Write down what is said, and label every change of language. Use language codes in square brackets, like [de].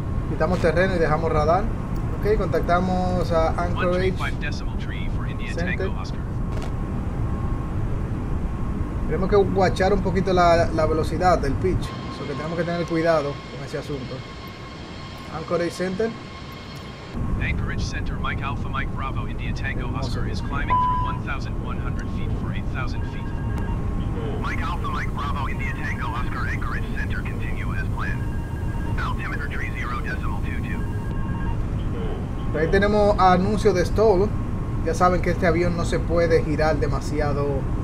[es] Quitamos terreno y dejamos radar. Ok, contactamos a Anchorage Center. Tenemos que guachar un poquito la velocidad del pitch. Así que tenemos que tener cuidado con ese asunto. [en] Anchorage Center. Anchorage Center, Mike Alpha, Mike Bravo, India Tango, Oscar is climbing through 1,100 feet for 8,000 feet. Mike Alpha, Mike Bravo, India Tango, Oscar, Anchorage Center, continue as planned. Altimeter tree 0.22. [es] Ahí tenemos anuncio de stall. Ya saben que este avión no se puede girar demasiado.